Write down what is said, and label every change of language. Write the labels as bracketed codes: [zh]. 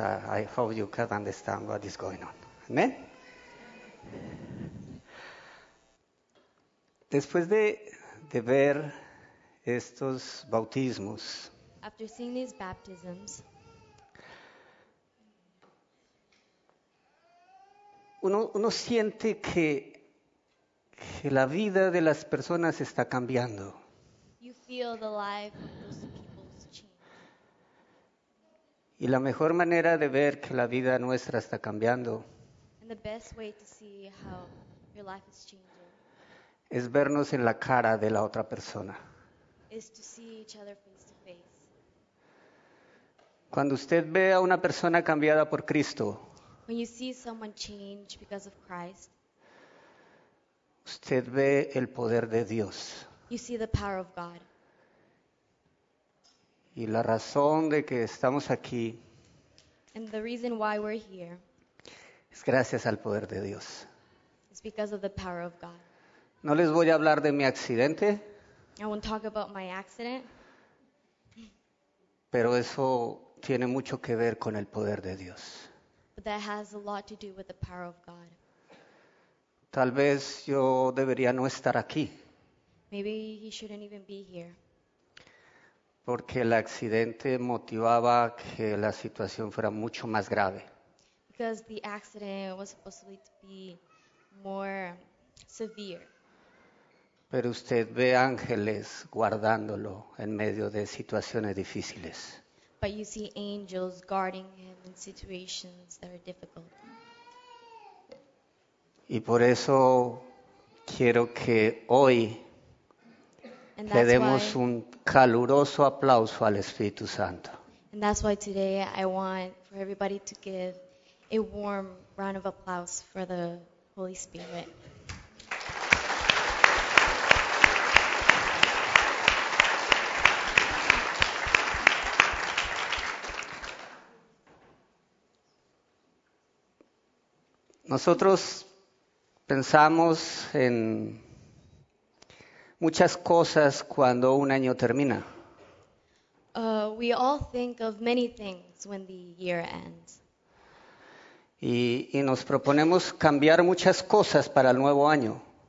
[en] I hope you can understand what is going on. Amen. [es] Después de ver estos bautismos, [en] after seeing these baptisms, [es] uno siente que la vida de las personas está cambiando. [en] You feel the life of those people's change. [es] Y la mejor manera de ver que la vida nuestra está cambiando, [en] and the best way to see how your life is changing, [es] es vernos en la cara de la otra persona. [en] Is to see each other face to face. [es] Cuando usted ve a una persona cambiada por Cristo, [en] when you see someone change because of Christ, [es] usted ve el poder de Dios. [en] You see the power of God. [es] Y la razón de que estamos aquí, [en] and the reason why we're here, [es] es gracias al poder de Dios. [en] It's because of the power of God. [es] No les voy a hablar de mi accidente. [en] I won't talk about my accident. [es] Pero eso tiene mucho que ver con el poder de Dios. [en] But that has a lot to do with the power of God. [es] Tal vez yo debería no estar aquí. [en] Maybe he shouldn't even be here. [es] Porque el accidente motivaba que la situación fuera mucho más grave. [en] Because the accident was supposedly to be more severe. [es] Pero usted ve ángeles guardándolo en medio de situaciones difíciles. [en] But you see angels guarding him in situations that are difficult. [es] Y por eso quiero que hoy le demos un caluroso aplauso al Espíritu Santo. [en] And that's why today I want for everybody to give a warm round of applause for the Holy Spirit. [es] Nosotros pensamos en muchas cosas cuando un año termina. [en] We all think of many things when the year ends. [es] Y nos proponemos cambiar muchas cosas para el nuevo año.